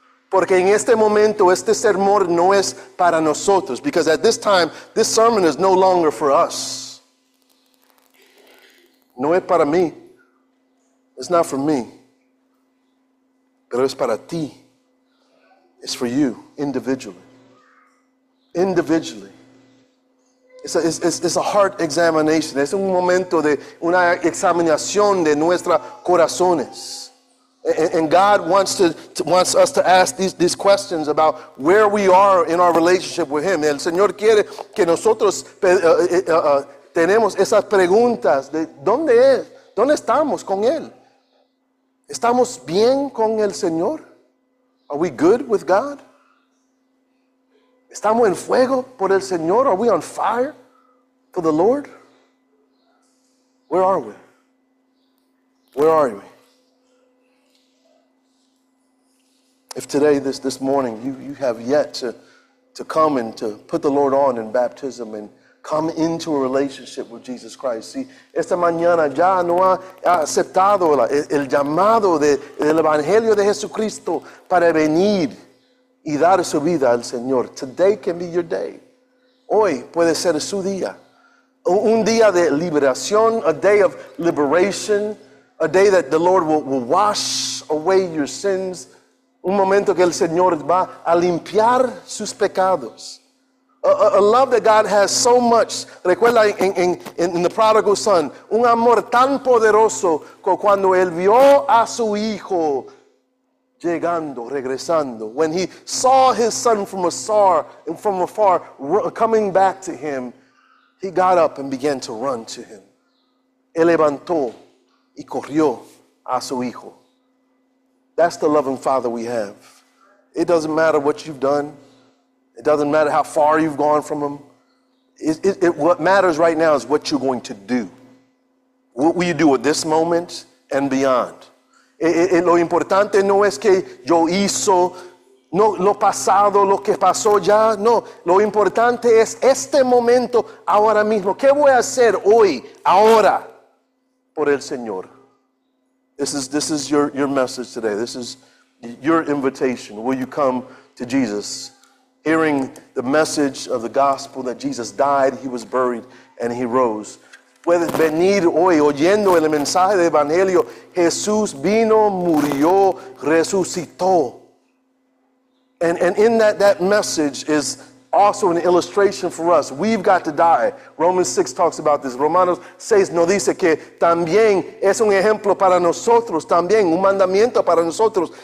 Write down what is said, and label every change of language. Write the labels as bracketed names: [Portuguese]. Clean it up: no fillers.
[Spanish] Porque en este momento este sermón no es para nosotros. [English] Because at this time, this sermon is no longer for us. [Spanish] No es para mí. [English] It's not for me. [Spanish] Pero es para ti. [English] It's for you, individually. Individually. It's a heart examination. [Spanish] Es un momento de una examinación de nuestros corazones. [English] And God wants us to ask these questions about where we are in our relationship with Him. [Spanish] El Señor quiere que nosotros tenemos esas preguntas de dónde es, dónde estamos con Él. ¿Estamos bien con el Señor? [English] Are we good with God? [Spanish] ¿Estamos en fuego por el Señor? [English] Are we on fire for the Lord? Where are we? Where are we? If today, this morning, you have yet to come and to put the Lord on in baptism and come into a relationship with Jesus Christ. [Spanish] Si esta mañana ya no ha aceptado el llamado del Evangelio de Jesucristo para venir y dar su vida al Señor. [English] Today can be your day. [Spanish] Hoy puede ser su día. Un día de liberación, [English] a day of liberation, a day that the Lord will wash away your sins. [Spanish] Un momento que el Señor va a limpiar sus pecados. [English] A love that God has so much. Recuerda in the prodigal son. [Spanish] Un amor tan poderoso que cuando él vio a su hijo llegando, regresando. [English] When he saw his son from afar coming back to him, he got up and began to run to him. [Spanish] Él levantó y corrió a su hijo. [English] That's the loving Father we have. It doesn't matter what you've done. It doesn't matter how far you've gone from Him. What matters right now is what you're going to do. What will you do at this moment and beyond? [Spanish] Lo importante no es que yo hizo, no lo pasado, lo que pasó ya. No, lo importante es este momento, ahora mismo. ¿Qué voy a hacer hoy, ahora, por el Señor? [English] This is your message today. This is your invitation. Will you come to Jesus? Hearing the message of the gospel that Jesus died, He was buried, and He rose. [Spanish] Puedes venir hoy oyendo el mensaje del Evangelio. Jesús vino, murió, resucitó. [English] And in that message is also an illustration for us. We've got to die. Romans 6 talks about this. [Spanish] Romanos 6 nos dice que también es un ejemplo para nosotros, también un mandamiento para nosotros.